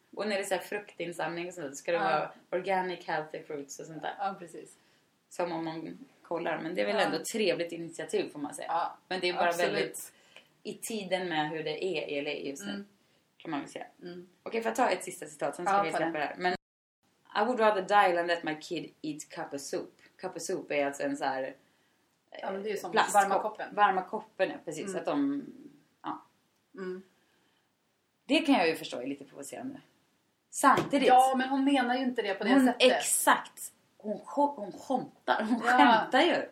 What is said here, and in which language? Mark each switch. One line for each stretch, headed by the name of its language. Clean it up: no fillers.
Swedish: Och när det är så här fruktinsamling och sånt, ska det vara
English: organic healthy fruits
Swedish: och sånt där. Ja, precis. Som om man kollar, men det är väl ändå ett trevligt initiativ får man säga. Ja, men det är bara absolut. Väldigt i tiden med hur det är i LA just nu, kan man väl säga. Mm. Okej, får jag ta ett sista citat, sen ska vi se på det här. Men,
English: I would rather die than let my kid eat cup of soup.
Swedish: Cup of soup är alltså en så här plastkopp. Varma koppen. Varma koppen, ja, precis. Mm. Att de, ja. Mm. Det kan jag ju förstå är lite provocerande. Samtidigt. Ja, men hon menar ju inte det på det sättet. Exakt. Hon skämtar. Hon skämtar ju.